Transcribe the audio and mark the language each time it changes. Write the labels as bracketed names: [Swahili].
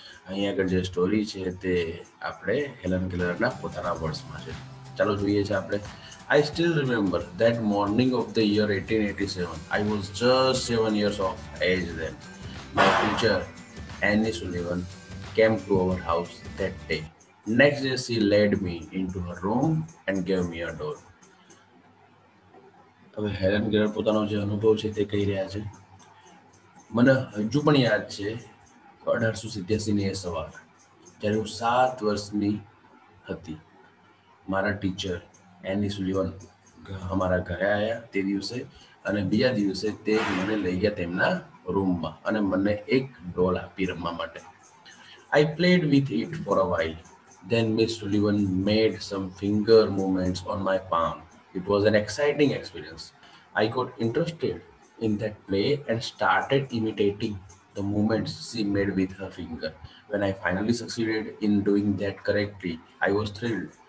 [Gujarati] અહીંયા આગળ જે સ્ટોરી છે તે આપણે હેલન કેલરના પોતાના વર્ડ્સમાં છે. ચાલો જોઈએ છે આપણે. [English] I still remember that morning of the year 1887. I was just 7 years of age then. My teacher Annie Sullivan came to our house that day. Next day she led me into her room and gave me a doll. [Gujarati] હવે Helen Keller પોતાનો જે અનુભવ છે તે કહી રહ્યા છે. મને હજુ પણ યાદ છે 1887ની એ સવાર જ્યારે હું 7 વર્ષની હતી. મારા ટીચર એની સુલિવન અમારા ઘરે આવ્યા તે દિવસે, અને બીજા દિવસે તે મને લઈ ગયા તેમના રૂમમાં અને મને એક ડોલ આપી રમવા માટે. [English] I played with it for a while. Then Miss Sullivan made some finger movements on my palm. It was an exciting experience. I got interested in that play and started imitating the movements she made with her finger. When I finally succeeded in doing that correctly, I was thrilled.